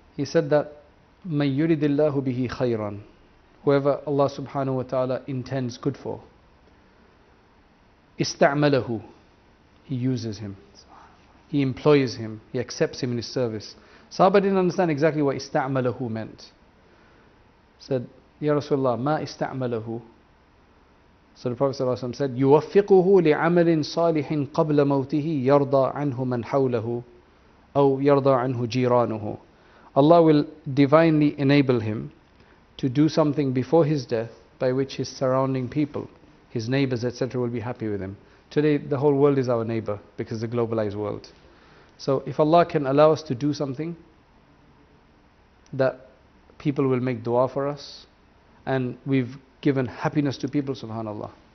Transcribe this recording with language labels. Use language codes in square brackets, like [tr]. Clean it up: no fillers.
[en] He said that [ar] مَنْ يُرِدِ اللَّهُ بِهِ خَيْرًا, [en] whoever Allah subhanahu wa ta'ala intends good for, استعمله, he uses him, he employs him, he accepts him in his service. Sahaba didn't understand exactly what استعمله meant. Said, Ya Rasulullah, [ar] مَا استعمله. [en] So the Prophet ﷺ said, [ar] يُوَفِّقُهُ لِعَمَلٍ صَالِحٍ قَبْلَ مَوْتِهِ يَرْضَى عَنْهُ مَنْ حَوْلَهُ أَوْ يَرْضَى عَنْهُ جِيرَانُهُ. [en] Allah will divinely enable him to do something before his death by which his surrounding people, his neighbors, etc. will be happy with him. Today, the whole world is our neighbor because of the globalized world. So if Allah can allow us to do something, that people will make dua for us, and we've given happiness to people, subhanAllah.